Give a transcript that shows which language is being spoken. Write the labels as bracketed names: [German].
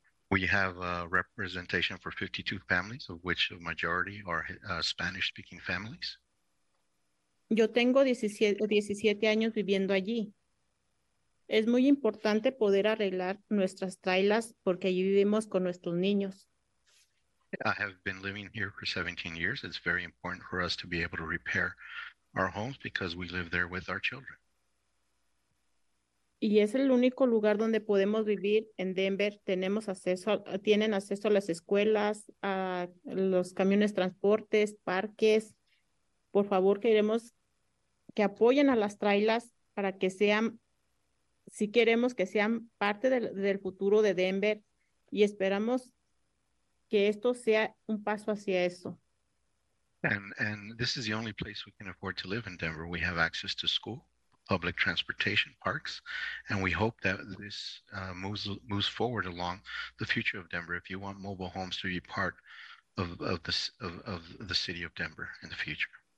[English] We have a representation for 52 families, of which a majority are Spanish-speaking families. [Spanish] Yo tengo 17 años viviendo allí. Es muy importante poder arreglar nuestras trailers porque allí vivimos con nuestros niños. [English] I have been living here for 17 years. It's very important for us to be able to repair our homes because we live there with our children. [Spanish] Y es el único lugar donde podemos vivir en Denver. Tenemos acceso, tienen acceso a las escuelas, a los camiones transportes, parques. Por favor, queremos que apoyen a las trailers para que sean, si queremos que sean parte del futuro de Denver, y esperamos que esto sea un paso hacia eso. [English] And this is the only place we can afford to live in Denver. We have access to school, public transportation, parks, and we hope that this moves forward along the future of Denver. If you want mobile homes to be part of the city of Denver in the future.